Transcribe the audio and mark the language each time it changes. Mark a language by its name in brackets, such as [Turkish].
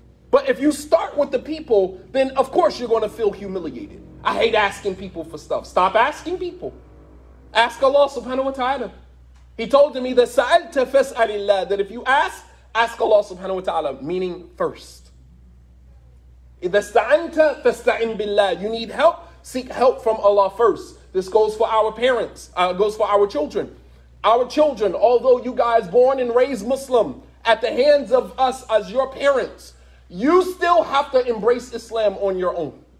[English] But if you start with the people, then of course you're going to feel humiliated. I hate asking people for stuff. Stop asking people. Ask Allah subhanahu wa ta'ala. He told me that [Arabic] sa'alta fas'alillah, [English] that if you ask, ask Allah subhanahu wa ta'ala, meaning first. [Arabic] إذا استعنت فاستعن بالله. [English] You need help, seek help from Allah first. This goes for our parents, goes for our children. Our children, although you guys born and raised Muslim, at the hands of us as your parents, you still have to embrace Islam on your own.